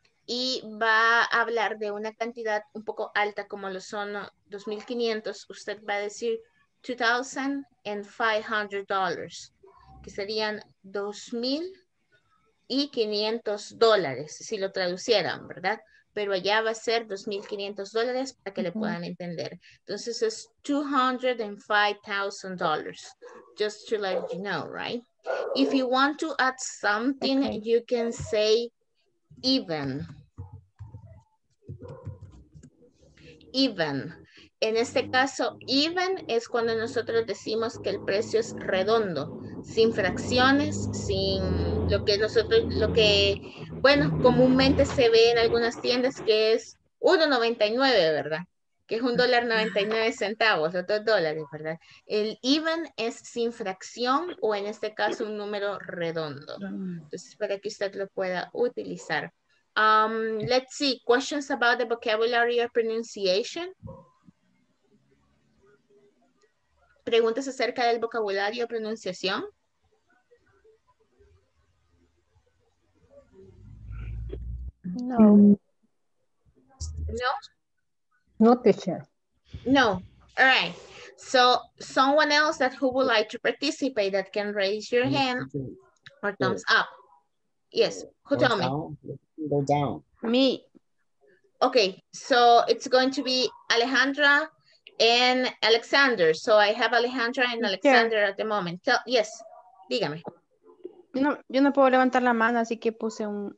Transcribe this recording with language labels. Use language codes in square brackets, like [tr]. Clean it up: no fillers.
[es] y va a hablar de una cantidad un poco alta como lo son 2,500, usted va a decir $2,500, que serían $2,500 si lo traducieran, ¿verdad? Pero allá va a ser $2,500 para que le puedan entender. Entonces es [en] $205,000, just to let you know, right? If you want to add something, okay, you can say even. Even. [es] En este caso, even es cuando nosotros decimos que el precio es redondo, sin fracciones, sin lo que nosotros, lo que, bueno, comúnmente se ve en algunas tiendas que es $1.99, ¿verdad? Que es $1.99, otros dólares, ¿verdad? El even es sin fracción o en este caso un número redondo. Entonces, para que usted lo pueda utilizar. [en] Let's see, questions about the vocabulary or pronunciation. [es] ¿Preguntas acerca del vocabulario o pronunciación? No. No? [en] No, teacher. No. All right. So, someone else that who would like to participate that can raise your hand or thumbs up. Yes. Who told me? Go down. Me. Okay. So, it's going to be Alejandra and Alexander. So I have Alejandra and Alexander at the moment. So, yes, [es] dígame. Yo no puedo levantar la mano, así que puse un